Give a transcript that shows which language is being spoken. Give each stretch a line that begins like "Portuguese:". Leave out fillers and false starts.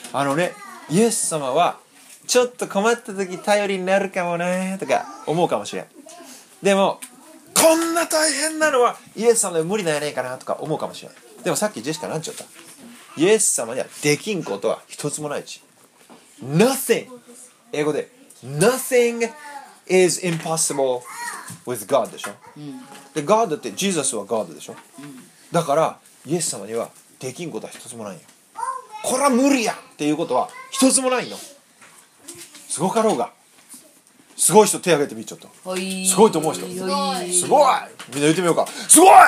Japanese: あのね、イエス様はちょっと困った時頼りになるかもねとか思うかもしれん。でもこんな大変なのはイエス様で無理なんやねえかなとか思うかもしれん。でもさっきジェシカなんちゃった、イエス様にはできんことは一つもないち。
English: Nothing、
Japanese: 英語で
English: Nothing is impossible with God
Japanese: でしょ、うん、で God ってジーザスは God でしょ、うん、だからイエス様にはできんことは一つもないよ。こら無理やっていうことは一つもないの。すごかろうが、すごい人手挙げてみ、ちょっとすごいと思う人、すごい、みんな言ってみようか、すごい